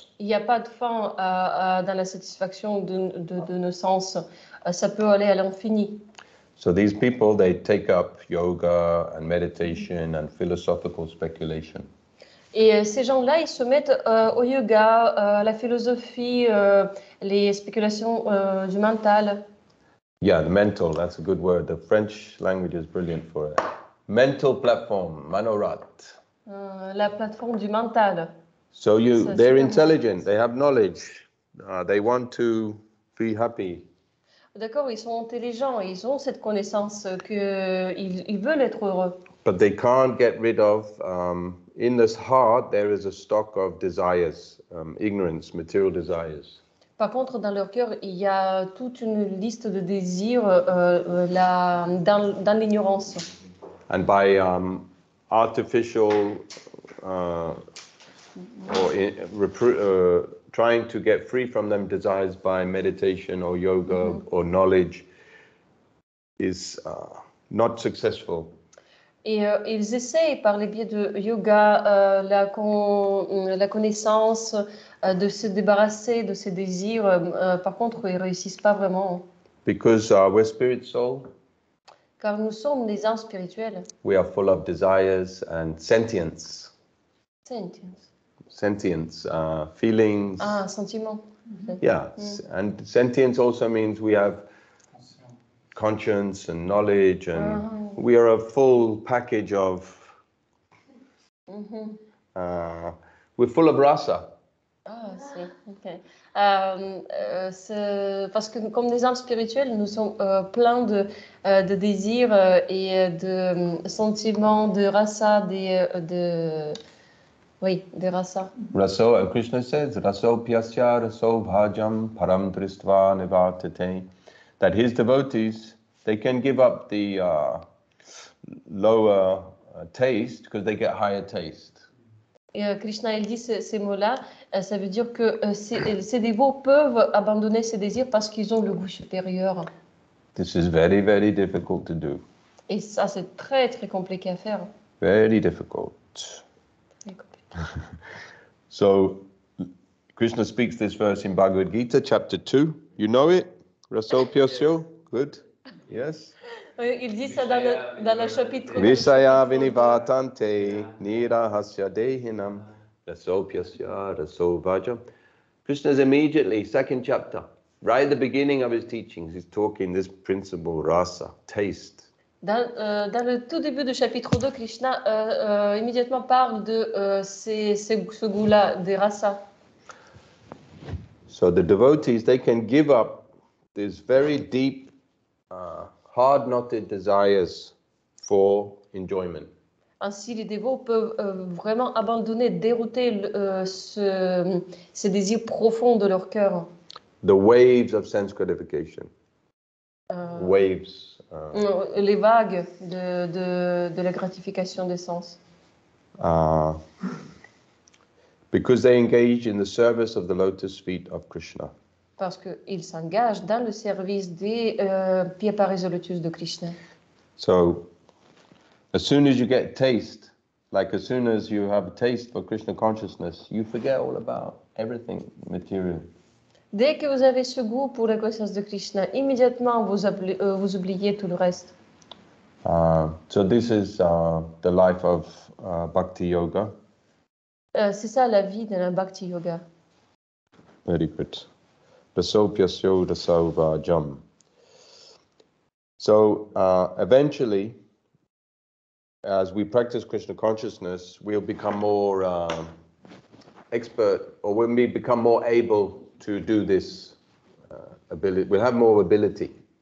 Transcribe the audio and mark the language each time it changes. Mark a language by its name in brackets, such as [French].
[French] Il n'y a pas de fin dans la satisfaction de nos sens. Ça peut aller à l'infini. [English] So these people, they take up yoga and meditation and philosophical speculation. [French] Et ces gens-là, ils se mettent au yoga, à la philosophie, les spéculations du mental. [English] Yeah, the mental, that's a good word. The French language is brilliant for it. Mental platform, Manorat. [French] La plateforme du mental. [English] So you, they're intelligent, they have knowledge. They want to be happy. [French] D'accord, ils sont intelligents, ils ont cette connaissance qu'ils veulent être heureux. [English] But they can't get rid of, in this heart, there is a stock of desires, ignorance, material desires. [French] Par contre, dans leur cœur, il y a toute une liste de désirs dans l'ignorance. [English] And by artificial or trying to get free from them desires by meditation or yoga or knowledge is not successful. [French] Et ils essayent par les biais de yoga, la connaissance, de se débarrasser de ces désirs. Par contre, ils ne réussissent pas vraiment. [English] Because we're spirit soul. [French] Car nous sommes des âmes spirituelles. [English] We are full of desires and sentience. Sentience, feelings. [French] Ah, sentiment. [English] Yeah, and sentience also means we have conscience and knowledge and... We are a full package of. We're full of rasa. [French] Ah, si, ok. Parce que comme des âmes spirituelles, nous sommes pleins de désirs et de sentiments de rasa, de rasa. [English] Rasa, Krishna says, [Sanskrit] rasa pyasya rasa bhajam param tristva nivartate, [English] that his devotees, they can give up the. Lower taste because they get higher taste. [French] Krishna, il dit ces mots-là, ça veut dire que ces dévots peuvent abandonner ces désirs parce qu'ils ont le goût supérieur. [English] This is very, very difficult to do. [French] Et ça, c'est très, très compliqué à faire. [English] Very difficult. So, Krishna speaks this verse in Bhagavad Gita, chapter 2. You know it? [Sanskrit] Raso Pyasyo? [English] Good. Yes. [French] Il dit ça dans le chapitre. [Sanskrit] Visaya vinivatante nirahasya dehinam raso pyasya raso vajam. [English] Krishna's immediately, second chapter, right at the beginning of his teachings, he's talking this principle, rasa, taste. [French] Dans le tout début du chapitre 2, Krishna immédiatement parle de ce goût-là, des rasa. [English] So the devotees, they can give up this very deep hard-knotted desires for enjoyment. [French] Ainsi, les dévots peuvent vraiment abandonner, dérouter ces désirs profonds de leur cœur. [English] The waves of sense gratification. Waves. [French] Les vagues de la gratification des sens. [English] Because they engage in the service of the lotus feet of Krishna. [French] Parce qu'ils s'engagent dans le service des pieds parés de lotus de Krishna. [English] So, as soon as you get taste, like as soon as you have a taste for Krishna consciousness, you forget all about everything material. [French] Dès que vous avez ce goût pour la conscience de Krishna, immédiatement vous oubliez tout le reste. [English] So this is the life of Bhakti Yoga. [French] C'est ça la vie de la Bhakti Yoga. [English] Very good. So eventually, as we practice Krishna consciousness, we'll become more expert, or we'll become more able to do this ability. We'll have more ability.